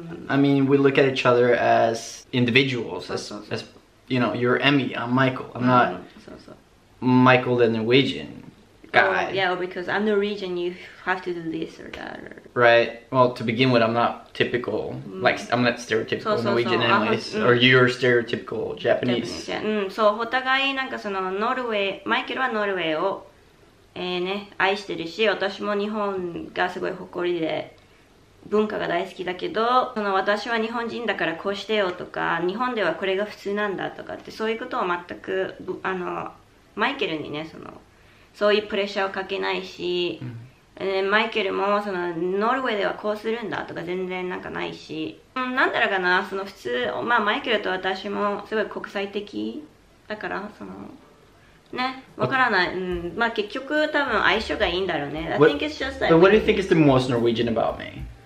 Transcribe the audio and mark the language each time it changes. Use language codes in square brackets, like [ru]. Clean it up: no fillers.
[en] I mean, we look at each other as individuals, as you know, you're Emmy, I'm Michael. I'm not Michael the Norwegian guy. Oh, yeah, well, because I'm Norwegian, you have to do this or that. Or... Right. Well, to begin with, I'm not typical, like, I'm not stereotypical Norwegian anyways, or you're stereotypical Japanese. [ja] So, お互いなんかそのノルウェー、マイケルはノルウェーを、ね、愛してるし、私も日本がすごい誇りで、文化が大好きだけど、その私は日本人だからこうしてよとか、日本ではこれが普通なんだとかって、そういうことを全くあのマイケルにね、そのそういうプレッシャーをかけないし、うん、マイケルもそのノルウェーではこうするんだとか全然なんかないし、なんだろうかな、その普通、まあマイケルと私もすごい国際的だから、そのね、わからない、うん、まあ結局多分相性がいいんだろうね。 [en] What, I think it's just like, what do you think is the most Norwegian about me?